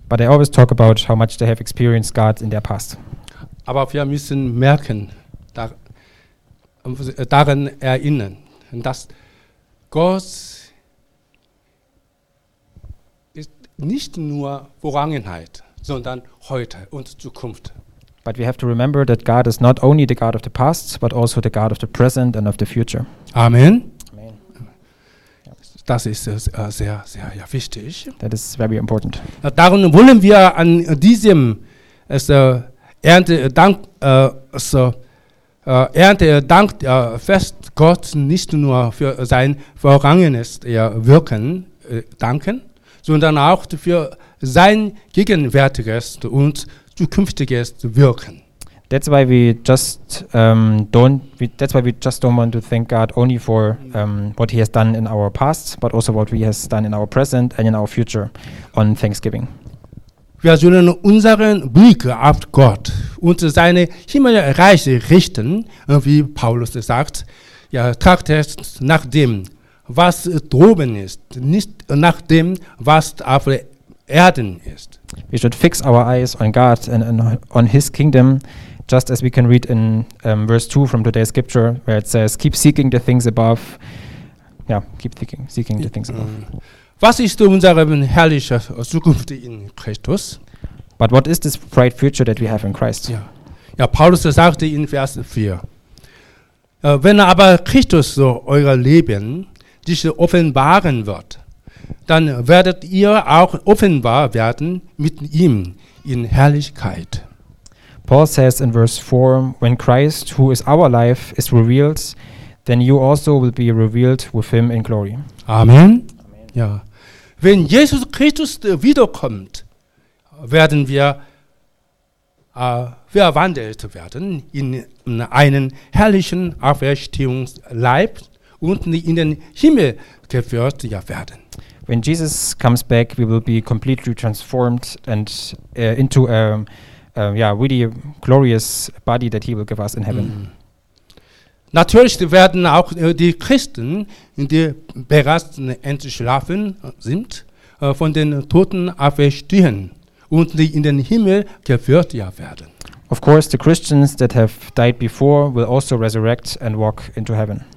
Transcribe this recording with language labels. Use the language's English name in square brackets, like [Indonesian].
[English] But they always talk about how much they have experienced God in their past. [German] Aber wir müssen merken, daran erinnern, dass Gott ist nicht nur Vergangenheit, sondern heute und Zukunft. [English] But we have to remember that God is not only the God of the past, but also the God of the present and of the future. Amen. Amen. [German] Das ist sehr, sehr wichtig. [English] That is very important. [German] Darum wollen wir an diesem Erntedankfest Gott nicht nur für sein vergangenes Wirken danken, sondern auch für sein gegenwärtiges und zukünftiges Wirken. [English] That's why we just don't want to thank God only for what he has done in our past, but also what he has done in our present and in our future on Thanksgiving. [German] Wir sollen unseren Blick auf Gott und seine Himmelreiche richten, wie Paulus sagt, trachtet nach dem, was droben ist, nicht nach dem, was auf der Erden ist. [English] We should fix our eyes on God and on his kingdom, just as we can read in verse 2 from today's scripture, where it says, keep seeking the things above. Yeah, keep seeking the things above. [German] Was ist unsere herrliche Zukunft in Christus? [English] But what is this bright future that we have in Christ? [German] Ja, Paulus sagte in Vers 4, wenn aber Christus so euer Leben, sich offenbaren wird, dann werdet ihr auch offenbar werden mit ihm in Herrlichkeit. [English] Paul says in verse 4, when Christ, who is our life, is revealed, then you also will be revealed with him in glory. Amen. Ja. [German] Wenn Jesus Christus wiederkommt, werden wir verwandelt werden in einen herrlichen Auferstehungsleib und in den Himmel geführt werden. [English] When Jesus comes back, we will be completely transformed and into a really glorious body that he will give us in heaven. [German] Natürlich werden auch die Christen, die bereits entschlafen sind, von den Toten auferstehen und in den Himmel geführt werden. [English] Of course, the Christians that have died before will also resurrect and walk into heaven.